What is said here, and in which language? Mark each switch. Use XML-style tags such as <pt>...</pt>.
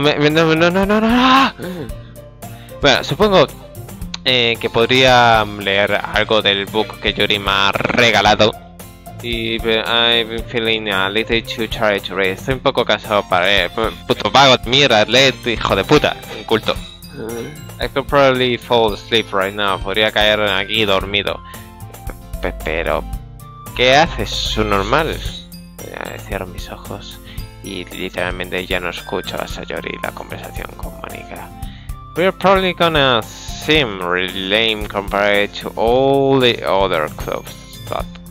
<es>Bueno, supongo que podría leer algo del book que Yuri me ha regalado.</es> <en>Y I've been feeling a little too tired to read.</en> <es>Estoy un poco cansado para leer. Puto vago, mira, lee, hijo de puta. Inculto.</es> <en>I could probably fall asleep right now.</en> <es>Podría caer aquí dormido. Pero, ¿qué haces? ¿Su normal? Cierro mis ojos. Y literalmente ya no escucho a Sayori la conversación con Mónica.</es> <en>We're probably gonna seem really lame compared to all the other clubs, but...</en>